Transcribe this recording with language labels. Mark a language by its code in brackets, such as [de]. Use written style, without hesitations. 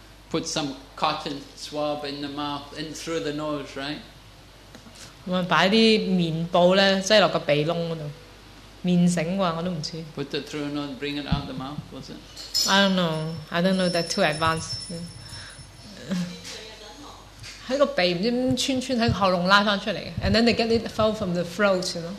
[en] Put some cotton swab in the mouth, in through the nose, right? [zh] 把一些棉布塞到鼻窿那裡,棉繩吧,我都不知道。 [en] Put it through the nose, bring it out the mouth, was it? I don't know, that's too advanced. [zh] 在鼻,穿穿,在喉嚨拉出來, [en] and then they get it fall from the throat, you know?